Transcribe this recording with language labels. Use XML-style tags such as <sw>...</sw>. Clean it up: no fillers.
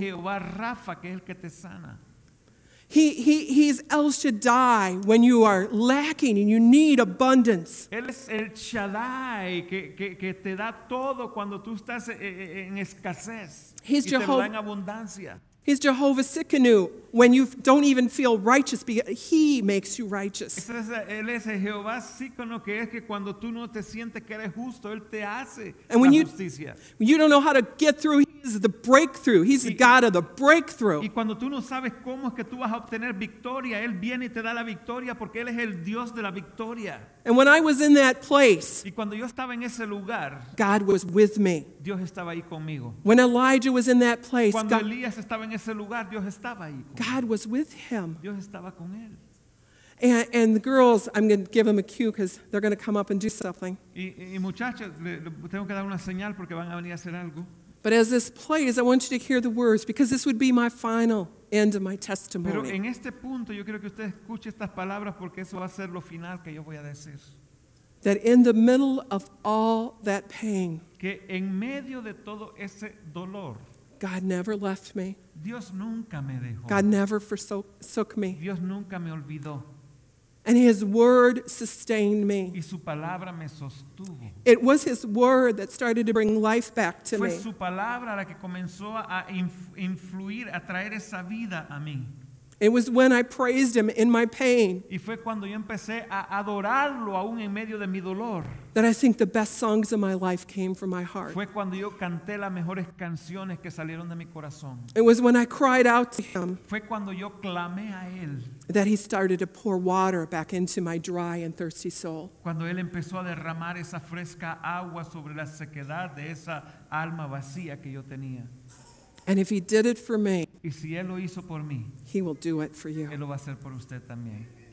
<es>Él es Jehová Rapha, que es el que te sana.</es> <en>He's El Shaddai when you are lacking and you need abundance.</en> <es>Él es el Shaddai que te da todo cuando tú estás en escasez.</es> <en>He's Jehovah</en> <es>en abundancia.</es> <en>He's Jehovah Sikkenu when you don't even feel righteous because he makes you righteous.</en> <es>Él es el Jehová Sikkenu que es que cuando tú no te sientes que eres justo, él te hace</es> <en>and when</en> <es>la justicia.</es> <en>You don't know how to get through. He's the breakthrough. He's the God of the breakthrough.</en> <es>Y cuando tú no sabes cómo es que tú vas a obtener victoria, él viene y te da la victoria porque él es el Dios de la victoria.</es> <en>And when I was in that place,</en> <es>y cuando yo estaba en ese lugar,</es> <en>God was with me.</en> <es>Dios estaba ahí conmigo.</es> <en>When Elijah was in that place,</en> <es>cuando Elías estaba en ese lugar, Dios estaba ahí.</es> <en>God was with him.</en> <es>Dios estaba con él.</es> <en>And the girls, I'm going to give them a cue because they're going to come up and do something.</en> <es>Y muchachos, tengo que dar una señal porque van a venir a hacer algo.</es> <en>But as this plays, I want you to hear the words because this would be my final end of my testimony.</en> <es>Pero en este punto yo quiero que usted escuche estas palabras porque eso va a ser lo final que yo voy a decir.</es> <en>That in the middle of all that pain,</en> <es>que en medio de todo ese dolor,</es> <en>God never left me.</en> <es>Dios nunca me dejó.</es> <en>God never forsook me.</en> <es>Dios nunca me olvidó.</es> <en>And his word sustained me.</en> <es>Y su palabra me sostuvo.</es> <en>It was his word that started to bring life back to me.</en> <es>Fue su palabra la que comenzó a influir, a traer esa vida a mí.</es> <en>It was when I praised him in my pain.</en> <es>Y fue cuando yo empecé a adorarlo aún en medio de mi dolor.</es> <en>That I think the best songs of my life came from my heart.</en> <es>Fue cuando yo canté las mejores canciones que salieron de mi corazón.</es> <en>It was when I cried out to him.</en> <es>Fue cuando yo clamé a él.</es> <en>That he started to pour water back into my dry and thirsty soul.</en> <es>Cuando él empezó a derramar esa fresca agua sobre la sequedad de esa alma vacía que yo tenía.</es> <en>And if he did it for me,</en> <es>y si él lo hizo por mí,</es> <en>he will do it for you.</en> <es>Él lo va a hacer por usted también.</es>